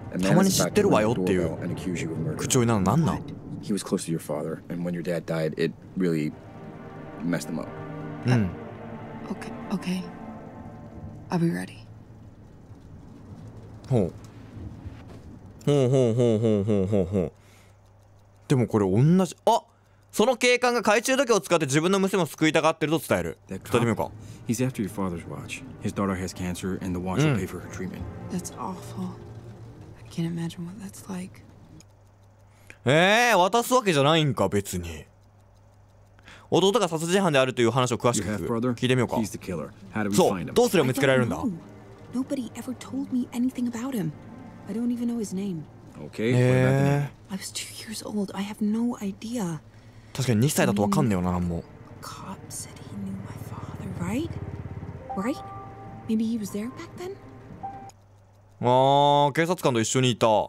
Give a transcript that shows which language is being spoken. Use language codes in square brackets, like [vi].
[ja] たまに知ってるわよっていう口調になるの何なん？ [en] He was close to your father, and when your dad died, it really messed him up. Okay, okay. I'll be ready. ほう。 [ja] ほうほうほうほうほうほうほう。でもこれ同じ。あ、その警官が懐中時計を使って自分の娘を救いたがってると伝える。伝えてみようか。 [en] He's after your father's watch. His daughter has cancer, and the watch will pay for her treatment. That's awful. I can't imagine what that's like. [ja] 渡すわけじゃないんか、別に。弟が殺人犯であるという話を詳しく聞いてみようか。 [en] He's the killer. How do we find him? [ja] どうすれば見つけられるんだ。 [en] Nobody ever told me anything about him. I don't even know his name. Okay. I was 2 years old. I have no idea. [ja] 確かに2歳だとわかんねえよな、なんも。 [en] Cop said he knew my father. Right? Maybe he was there back then? [ja] ああ、警察官と一緒にいた。